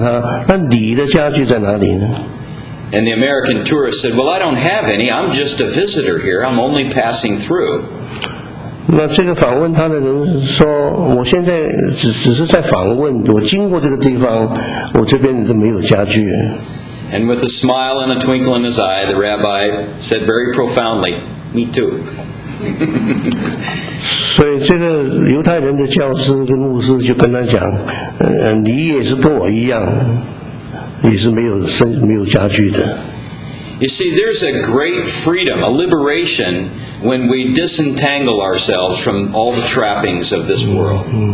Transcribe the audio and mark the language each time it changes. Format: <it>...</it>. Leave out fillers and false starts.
<zh>那这个犹太人的教师就是问他，那你的家具在哪里呢？</zh> <en>And the American tourist said, well, I don't have any. I'm just a visitor here. I'm only passing through.</en> <zh>那这个访问他的人说，我现在只是在访问，我经过这个地方，我这边都没有家具。</zh> <en>And with a smile and a twinkle in his eye, the rabbi said very profoundly, "Me too."</en> <zh>所以这个犹太人的教师跟牧师就跟他讲， 你也是跟我一样， 你是没有家具的。</zh> <en>You see, there's a great freedom, a liberation, when we disentangle ourselves from all the trappings of this world.</en>